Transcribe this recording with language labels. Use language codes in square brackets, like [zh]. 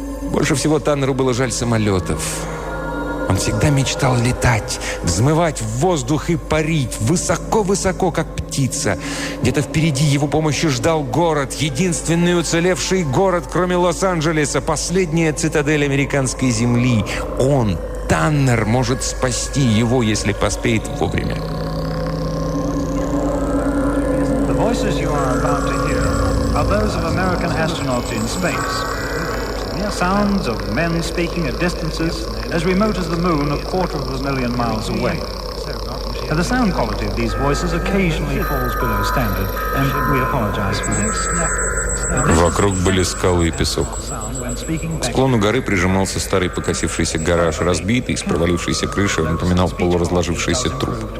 [ru] Больше всего Таннеру было жаль самолетов. Он всегда мечтал летать, взмывать в воздух и парить высоко-высоко, как птица. Где-то впереди его помощи ждал город, единственный уцелевший город, кроме Лос-Анджелеса, последняя цитадель американской земли. Он, Таннер, может спасти его, если поспеет вовремя. [en] The voices you are about to hear are those of American astronauts in space. Sounds of men speaking at distances as remote as the moon a quarter of a million miles away. And the sound quality of these voices occasionally falls below standard, and we apologize for this. [ru] Вокруг были скалы и песок. К склону горы прижимался старый покосившийся гараж. Разбитый, с провалившейся крышей, он напоминал полуразложившийся труп.